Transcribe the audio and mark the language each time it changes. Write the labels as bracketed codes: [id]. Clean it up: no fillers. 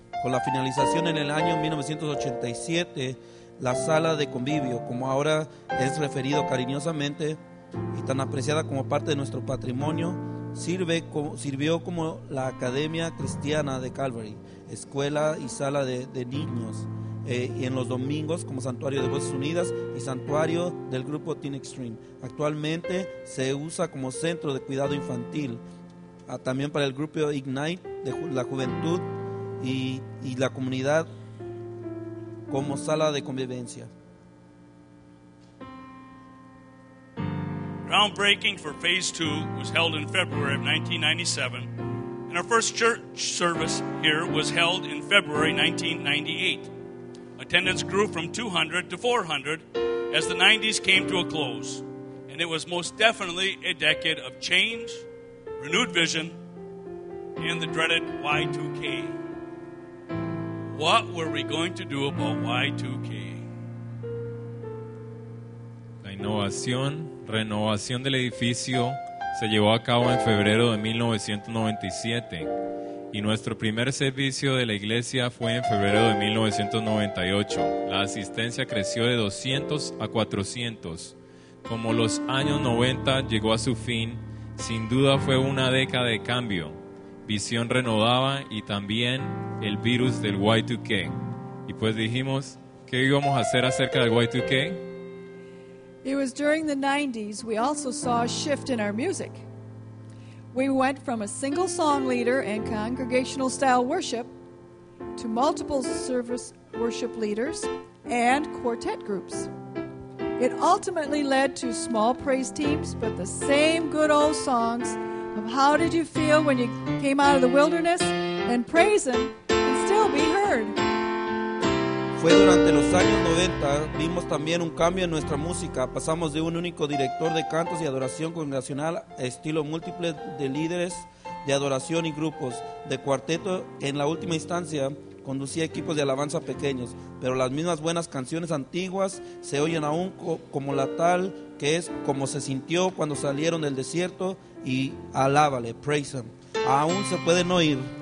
[es] Con la finalización en el año 1987, la sala de convivio, como ahora es referido cariñosamente y tan apreciada como parte de nuestro patrimonio, sirvió como la Academia Cristiana de Calvary, escuela y sala de niños, y en los domingos como Santuario de Voces Unidas y Santuario del Grupo Teen Extreme. Actualmente se usa como centro de cuidado infantil, también para el grupo Ignite de la juventud y la comunidad, como sala de convivencia. [en] Groundbreaking for Phase 2 was held in February of 1997, and our first church service here was held in February 1998. Attendance grew from 200 to 400 as the 90s came to a close, and it was most definitely a decade of change, renewed vision, and the dreaded Y2K. What were we going to do about Y2K? [es] La innovación, renovación del edificio se llevó a cabo en febrero de 1997, y nuestro primer servicio de la iglesia fue en febrero de 1998. La asistencia creció de 200 a 400. Como los años 90 llegó a su fin, sin duda fue una década de cambio, visión renovada y también el virus del Y2K. Y pues dijimos, ¿qué íbamos a hacer acerca del Y2K? [en] It was during the 90s we also saw a shift in our music. We went from a single song leader and congregational style worship to multiple service worship leaders and quartet groups. It ultimately led to small praise teams, but the same good old songs of how did you feel when you came out of the wilderness and praise him can still be heard. [es] Fue durante los años 90, vimos también un cambio en nuestra música. Pasamos de un único director de cantos y adoración congregacional a estilo múltiple de líderes de adoración y grupos de cuarteto. En la última instancia, conducía equipos de alabanza pequeños, pero las mismas buenas canciones antiguas se oyen aún como la tal que es como se sintió cuando salieron del desierto, y alábale, [en] praise him, [es] aún se pueden oír.